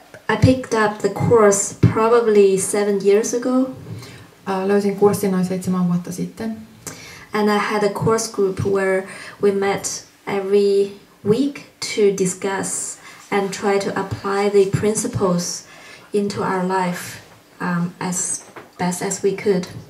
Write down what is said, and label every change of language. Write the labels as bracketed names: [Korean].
[English] I picked up the course probably 7 years ago. [Finnish] Löysin kurssin noin 7 vuotta sitten. [English] And I had a course group where we met every week to discuss and try to apply the principles into our life as best as we could.